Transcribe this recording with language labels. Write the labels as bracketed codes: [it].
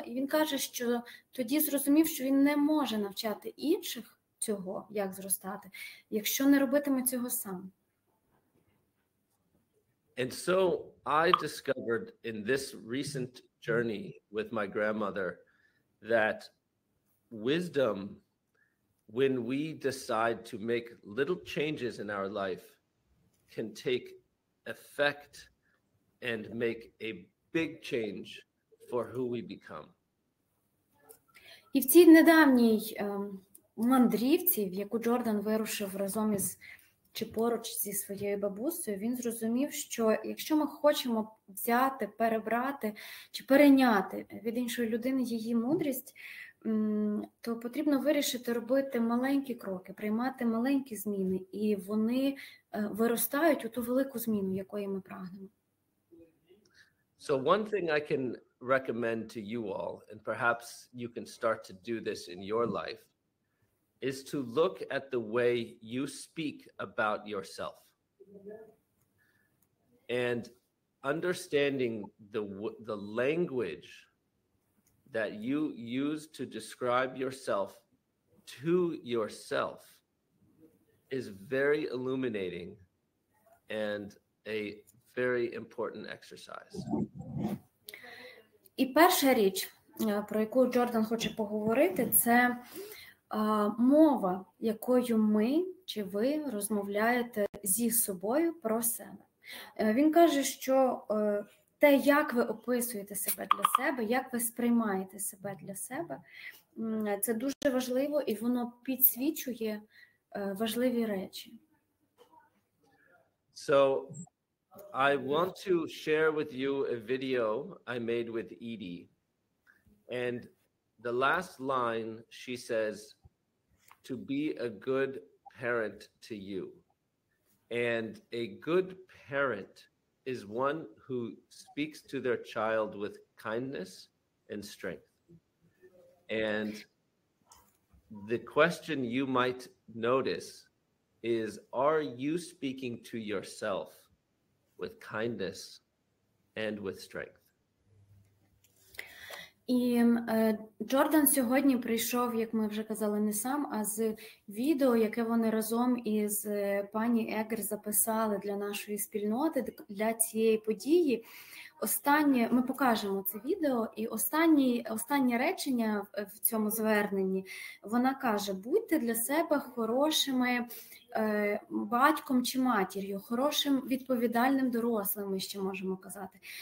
[uk] І він каже, що тоді зрозумів, що він не може навчати інших цього, як зростати, якщо не робитиме цього сам. [en] And so I discovered in this recent journey with my grandmother that wisdom, when we decide to make little changes in our life, can take effect and make a big change for who we become. [uk] І в цій недавній мандрівці, в яку Джордан вирушив разом із чи поруч зі своєю бабусею, він зрозумів, що якщо ми хочемо взяти, перебрати чи перейняти від іншої людини її мудрість, то потрібно вирішити робити маленькі кроки, приймати маленькі зміни, і вони виростають у ту велику зміну, якої ми прагнемо. [en] So one thing I can recommend to you all, and perhaps you can start to do this in your life, is to look at the way you speak about yourself. And understanding the language that you use to describe yourself to yourself is very illuminating and a very important exercise. [uk] І перша річ, про яку Джордан хоче поговорити, це мова, якою ми чи ви розмовляєте зі собою про себе. Він каже, що те, як ви описуєте себе для себе, як ви сприймаєте себе для себе, це дуже важливо і воно підсвічує важливі речі. [en] So, I want to share with you a video I made with Edie. And the last line she says, to be a good parent to you. And a good parent is one who speaks to their child with kindness and strength. And the question you might notice is, are you speaking to yourself with kindness and with strength? [uk] І Джордан сьогодні прийшов, як ми вже казали, не сам, а з відео, яке вони разом із пані Егер записали для нашої спільноти, для цієї події. Останнє, ми покажемо це відео, і останнє речення в цьому зверненні, вона каже, будьте для себе хорошими батьком чи матір'ю, хорошим відповідальним дорослим, ми ще можемо казати.